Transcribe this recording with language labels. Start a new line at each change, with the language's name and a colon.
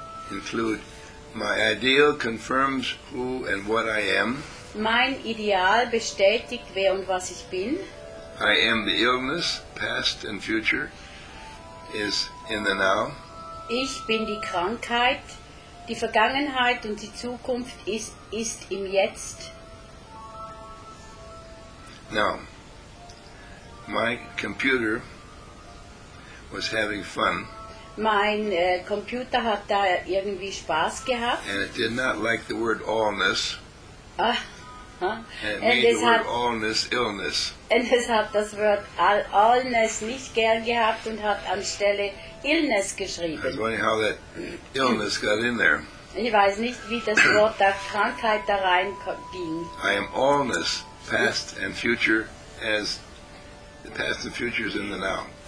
English: Include my ideal confirms who and what I am.
German: Mein Ideal bestätigt wer und was ich bin.
English: I am the illness, past and future, is in the now.
German: Ich bin die Krankheit, die Vergangenheit und die Zukunft ist im Jetzt.
English: Now, my computer was having fun.
German: Mein Computer hat da irgendwie Spaß gehabt.
English: And it did not like the word allness. And it made the word allness illness.
German: Und es hat das Wort allness nicht gern gehabt und hat anstelle illness geschrieben.
English: I was wondering how that illness got in there.
German: Ich weiß nicht, wie das Wort da Krankheit da rein ging.
English: I am allness, past and future, as the past and future is in the now.